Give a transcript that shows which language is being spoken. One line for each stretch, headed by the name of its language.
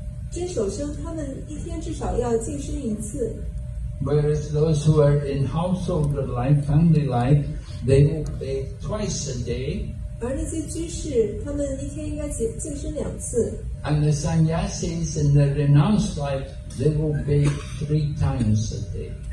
Chinese: 真守生他们一天至少要净身一次。
English: Whereas those who are in household life, family life, they will bathe twice a day.
Chinese: 而那些居士，他们一天应该净身两次。
English: And the sannyasis in the renounced life, they will bathe three times a day.